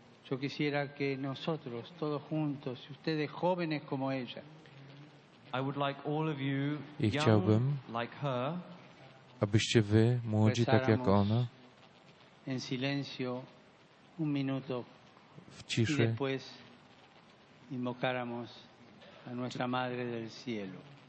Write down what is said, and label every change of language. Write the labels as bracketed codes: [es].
[es] Yo quisiera que nosotros, todos juntos, ustedes jóvenes como ella, [en] I would like all of you, [pl] i chciałbym, [en] young, like her, [pl] abyście wy, młodzi tak jak ona, [es] en silencio, un minuto, [pl] w ciszy, [es] y después invocáramos a nuestra madre del cielo.